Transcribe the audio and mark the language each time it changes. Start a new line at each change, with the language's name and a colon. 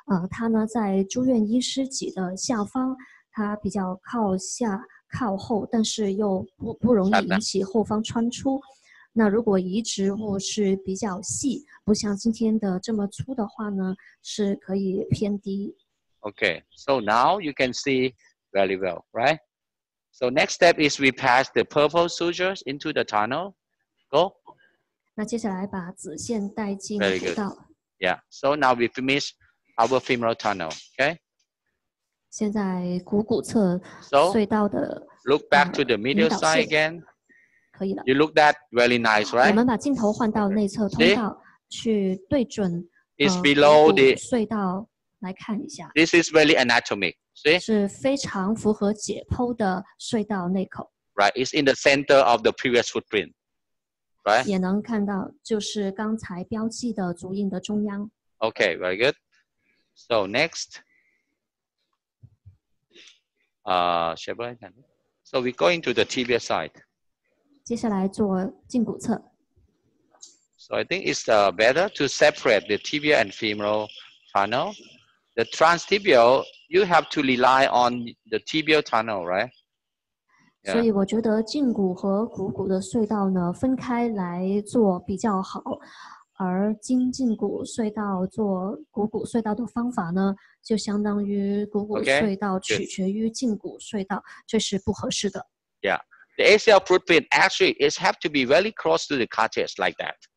Chinese: 它呢在住院医师脊的下方，它比较靠下靠后，但是又 不容易引起后方穿出。那如果移植物是比较细，不像今天的这么粗的话呢，是可以偏低。
English: Okay, so now you can see very well, right? So next step is we pass the purple sutures into the tunnel. Go.
Chinese: 那接下来把紫线带进隧道。
English: Yeah, so now we finish our femoral tunnel, okay?
Chinese: 现在股骨侧隧道的
English: So, look back to the medial side again.
Chinese: 可以了。
English: You look that really nice, right?
Chinese: 我们把镜头换到内侧通道去对准。
English: It's below the
Chinese: 隧道来看一下。
English: This is really anatomic. See?
Chinese: 是非常符合解剖的隧道内口。
English: Right, it's in the center of the previous footprint. Right?
Chinese: 也能看到就是刚才标记的足印的中央。
English: Okay, very good. So next, so we go into the tibia side.
Chinese: 接下来做胫骨侧。
English: So I think it's better to separate the tibial and femoral tunnel. The transtibial, you have to rely on the tibial tunnel, right? Yeah.
Chinese: 所以我觉得胫骨和股骨的隧道呢，分开来做比较好。而经胫骨隧道做股骨隧道的方法呢，就相当于股骨隧道取决于胫骨隧道，这是不合适的。
English: Yeah. The ACL footprint actually is have to be very close to the cartilage like that.